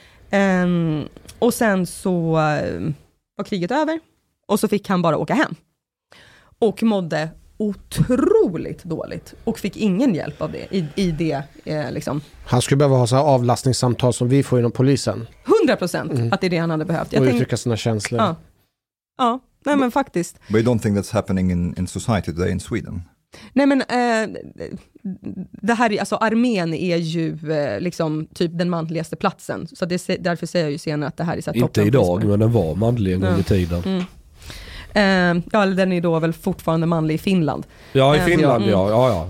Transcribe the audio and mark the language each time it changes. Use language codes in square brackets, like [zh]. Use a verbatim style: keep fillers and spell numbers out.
[sv] Eh, och sen så eh, var kriget över och så fick han bara åka hem. Och mådde otroligt dåligt och fick ingen hjälp av det i, i det eh, liksom. Han skulle behöva ha så här avlastningssamtal som vi får inom polisen. hundra procent mm. att det är det han hade behövt. Jag och uttrycka tänk- sina känslor. Ja. Ja. Nej men faktiskt. [en] But you don't think that's happening in, in society today in Sweden? [sv] Nej men eh, det här, alltså armén är ju eh, liksom typ den manligaste platsen. Så det, därför säger jag ju senare att det här är så här inte idag, men den var manlig en gång i tiden. Mm. Eh, ja, den är då väl fortfarande manlig i Finland. Ja, i Finland, eh, ja. Ja, ja,